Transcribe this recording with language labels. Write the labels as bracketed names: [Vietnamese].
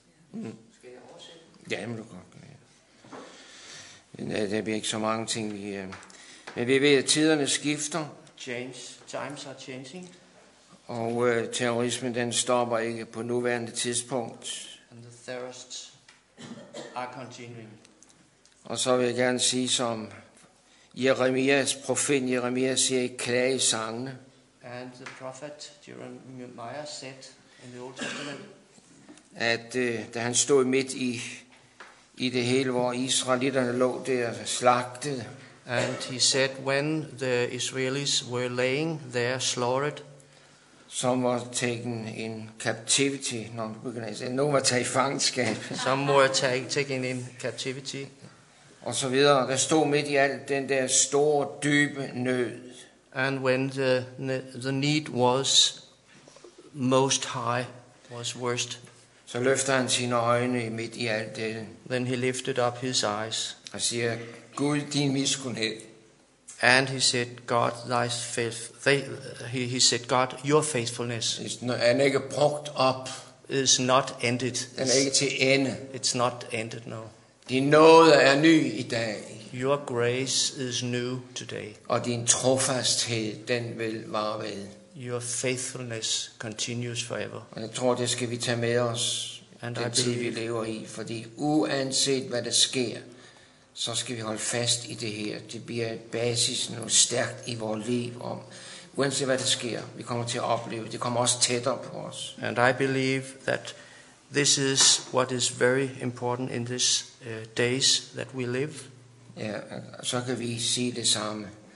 [Danish] Skal jeg oversætte? Jamen, du kan. Det bliver ikke så mange ting. Men vi ved, at tiderne skifter. [English] Change. Times are changing. [Danish] Og terrorismen den stopper ikke på nuværende tidspunkt. [English] And the terrorists are continuing. [Danish] Og så vil jeg gerne sige, som Jeremias, profet Jeremias siger i klagesangene. [English] And the prophet Jeremiah said in the Old Testament. [Danish] At da han stod midt i det hele, hvor israelitterne lå der slagtet. [English] And he said, when the Israelis were laying there slaughtered, some were taken in captivity. No, we're going to say, no, were taken in fangenskab. Some were taken in captivity. [Danish] Og så videre. Der stod midt i alt den der store, dybe nød. [English] And when the need was most high, was worst. [Danish] Så løfter han sine øjne midt i alt det. [English] Then he lifted up his eyes. [Danish] Og siger, Gud, din miskundhed. [English] And he said, God, thy faith. He said, God, your faithfulness. [Danish] Han er ikke brugt op. [English] Is not ended. [Danish] Han er ikke til ende. [English] It's not ended, no. [Danish] Din nåde er ny i dag. [English] Your grace is new today. [Danish] Og din trofasthed, den vil vare ved. [English] Your faithfulness continues forever. [Danish] Og jeg tror, det skal vi tage med os, and den tid, vi lever i. Fordi uanset hvad der sker, så skal vi holde fast i det her. Det bliver et basis, noget stærkt i vores liv om. Uanset hvad der sker, vi kommer til at opleve. Det kommer også tættere på os. [English] And I believe that this is what is very important in this days that we live. [Danish] Ja, så kan vi sige det samme.